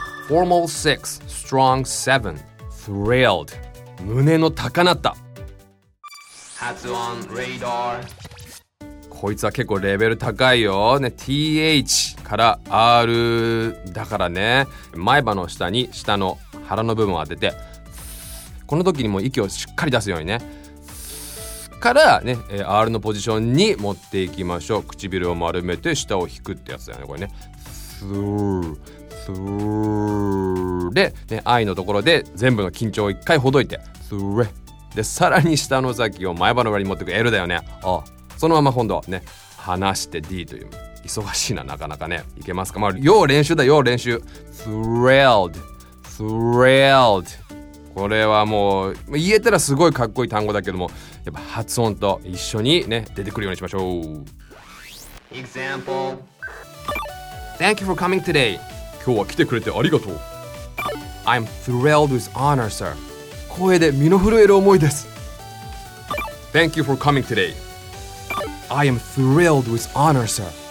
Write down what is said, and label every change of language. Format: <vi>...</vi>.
<en>formal 6, strong 7, thrilled.</en> <ja>胸の高鳴った。発音レーダー。こいつは結構レベル高いよ。ね、TH から R だからね。前歯の下に下の腹の部分を当てて、この時にも息をしっかり出すようにね。からね、R のポジションに持っていきましょう。唇を丸めて舌を引くってやつだよね、これね。スースーで、ね、I のところで全部の緊張を一回ほどいて、スレで、さらに舌の先を前歯の裏に持っていく L だよね。あ、そのまま今度はね、離して D という。忙しいな、なかなかね。いけますか。まあ、要練習だ、要練習。スレールド、スレールド。これはもう言えたらすごいかっこいい単語だけども、やっぱ発音と一緒にね出てくるようにしましょう。</ja> <en>Example. Thank you for coming today.</en> <ja>今日は来てくれてありがとう。</ja> <en>I'm thrilled with honor, sir.</en> <ja>声で身の震える思いです。</ja> <en>Thank you for coming today. I am thrilled with honor, sir.</en>